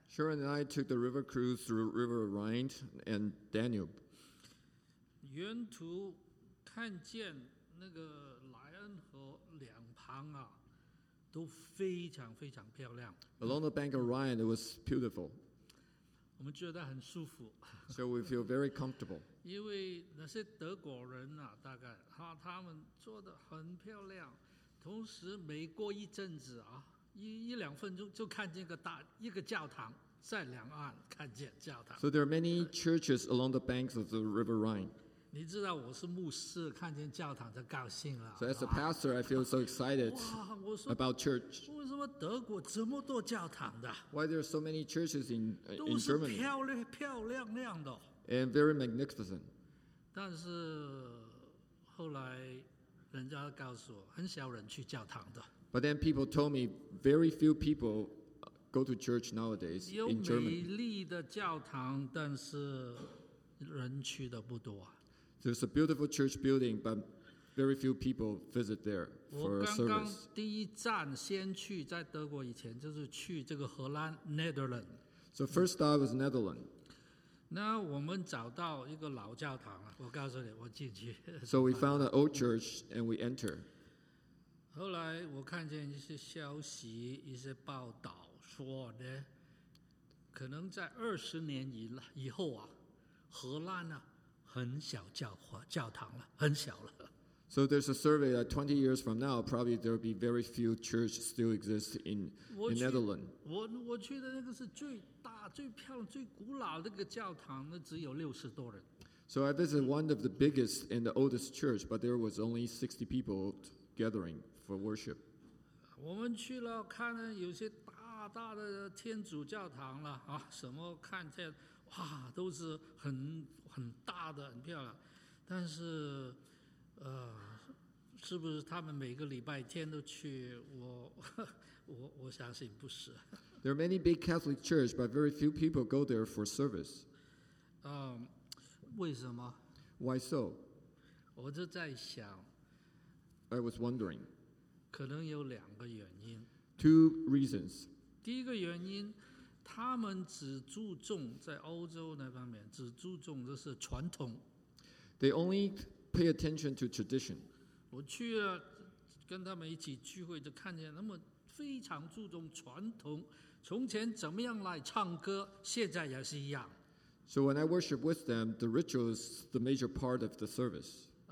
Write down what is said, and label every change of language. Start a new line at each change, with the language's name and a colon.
English: Sharon and I took the river cruise through River Rhine and Danube.
Chinese: 沿途看见那个莱恩河两旁都非常非常漂亮。
English: Along the bank of Rhine, it was beautiful.
Chinese: 我们觉得很舒服。
English: So we feel very comfortable.
Chinese: 因为那些德国人大概他们做得很漂亮，同时每过一阵子一两分钟就看见一个教堂，在两岸看见教堂。
English: So there are many churches along the banks of the River Rhine.
Chinese: 你知道我是牧师，看见教堂就高兴了。
English: So as a pastor, I feel so excited about church.
Chinese: 为什么德国这么多教堂的
English: ？Why there are so many churches in Germany?
Chinese: 都是漂亮漂亮亮的。
English: And very magnificent.
Chinese: 但是后来人家告诉我，很少人去教堂的。
English: But then people told me very few people go to church nowadays in Germany.
Chinese: 有美丽的教堂，但是人去的不多。
English: There's a beautiful church building, but very few people visit there for service.
Chinese: 我刚刚第一站先去，在德国以前就是去这个荷兰 Netherlands.
English: So first stop was Netherlands.
Chinese: 那我们找到一个老教堂了，我告诉你，我进去。
English: So we found an old church and we enter.
Chinese: 后来我看见一些消息，一些报道说呢，可能在20年以后荷兰很小教堂了，很小了。
English: So there's a survey that 20 years from now, probably there will be very few churches still exist in Netherlands.
Chinese: 我去的那个是最大、最漂亮、最古老的一个教堂，那只有60多人。
English: So I visited one of the biggest and the oldest church, but there was only 60 people gathering. For worship.
Chinese: 我们去了看了有些大大的天主教堂了什么看见都是很大的很漂亮，但是是不是他们每个礼拜天都去？我相信不是。
English: There are many big Catholic churches, but very few people go there for service.
Chinese: 为什么
English: ？Why so？
Chinese: 我就在想。
English: I was wondering.
Chinese: 可能有两个原因。
English: Two reasons.
Chinese: 第一个原因，他们只注重在欧洲那方面，只注重的是传统。
English: They only pay attention to tradition.
Chinese: 我去了，跟他们一起聚会，就看见他们非常注重传统，从前怎么样来唱歌，现在也是一样。
English: So when I worship with them, the ritual is the major part of the service.